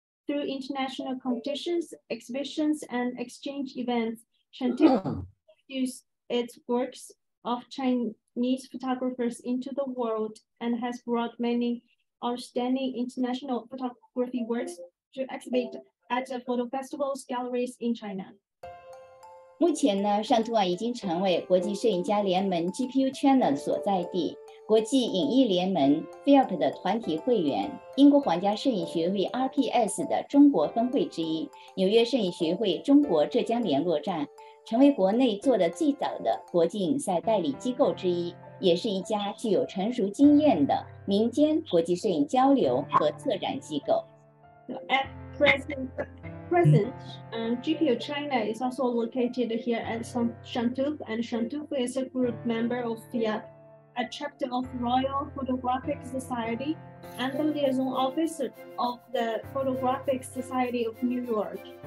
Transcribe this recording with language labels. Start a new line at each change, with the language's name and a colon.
English: Through international competitions, exhibitions, and exchange events, Shangtuf introduced its works of Chinese photographers into the world and has brought many outstanding international photography works to exhibit at the photo festivals galleries in China.
Chinese: 目前呢, 上图网已经成为国际摄影家联盟 GPU-China 的所在地, 国际影艺联盟 FIARP 的团体会员, 英国皇家摄影学会 RPS 的中国分会之一, 纽约摄影学会中国浙江联络站, 成为国内做的最早的国际影赛代理机构之一, 也是一家具有成熟经验的民间国际摄影交流和策展机构。
English: Present, GPU-China is also located here at Shangtuf, and Shangtuf is a group member of FIARP, a chapter of Royal Photographic Society, and the liaison officer of the Photographic Society of New York.